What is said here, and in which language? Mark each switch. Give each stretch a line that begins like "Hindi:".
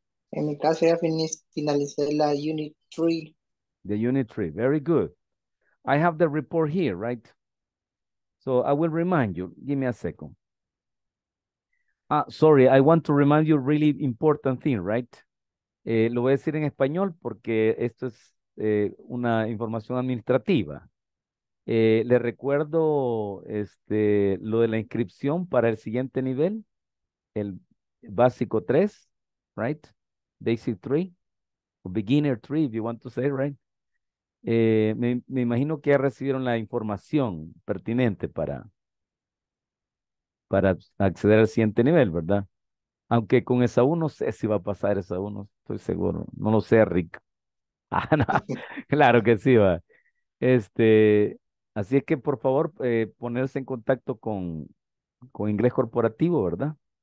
Spanish: En mi caso ya finalicé la unit 3.
English: The unit 3, very good. I have the report here, right? So I will remind you. Give me a second. Sorry, I want to remind you a really important thing, right?
Spanish: Lo voy a decir en español porque esto es una información administrativa. Le recuerdo lo de la inscripción para el siguiente nivel, el básico 3,
English: right? Basic 3, beginner 3, if you want to say, right?
Spanish: Me imagino que ya recibieron la información pertinente para acceder al siguiente nivel, ¿verdad? Aunque con esa uno no sé si va a pasar esa uno, estoy seguro. No lo sé, Rick. Ah, no, claro que sí va. Así es que por favor, ponerse en contacto con inglés corporativo, ¿verdad?